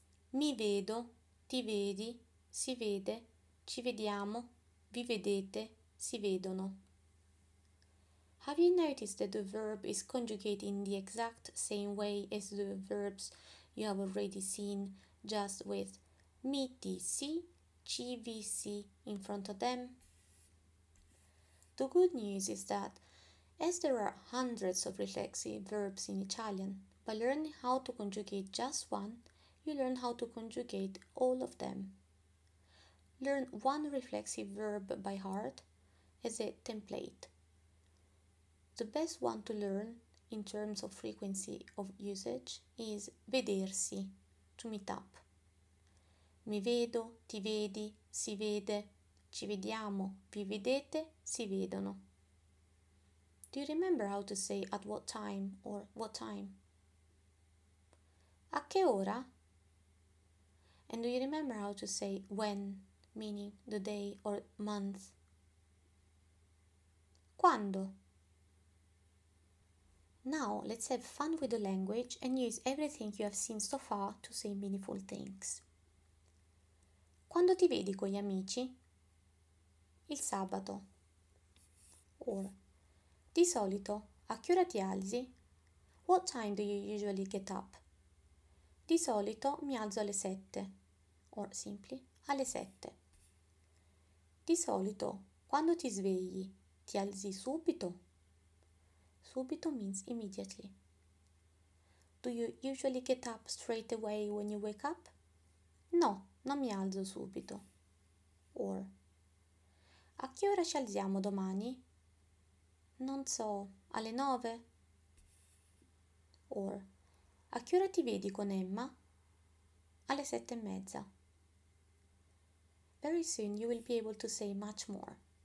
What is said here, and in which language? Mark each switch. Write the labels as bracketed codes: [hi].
[it] Mi vedo, ti vedi, si vede, ci vediamo, vi vedete, si vedono. [en] Have you noticed that the verb is conjugated in the exact same way as the verbs you have already seen, just with [it] mi ti si, ci vi si [en] in front of them? The good news is that, as there are hundreds of reflexive verbs in Italian, by learning how to conjugate just one, you learn how to conjugate all of them. Learn one reflexive verb by heart as a template. The best one to learn in terms of frequency of usage is vedersi, to meet up. [it] Mi vedo, ti vedi, si vede, ci vediamo, vi vedete, si vedono. [en] Do you remember how to say at what time or what time? [it] A che ora? [en] And do you remember how to say when, meaning the day or month? [it] Quando? [en] Now, let's have fun with the language and use everything you have seen so far to say meaningful things. [it] Quando ti vedi con gli amici? Il sabato. Or, di solito, a che ora ti alzi? [en] What time do you usually get up? [it] Di solito mi alzo alle 7. [en] Or, simply, [it] alle 7. Di solito, quando ti svegli, ti alzi subito? [en] Subito means immediately. Do you usually get up straight away when you wake up? [it] No, non mi alzo subito. Or, a che ora ci alziamo domani? Non so, alle 9? Or, a che ora ti vedi con Emma? Alle 7:30. [en] Very soon you will be able to say much more.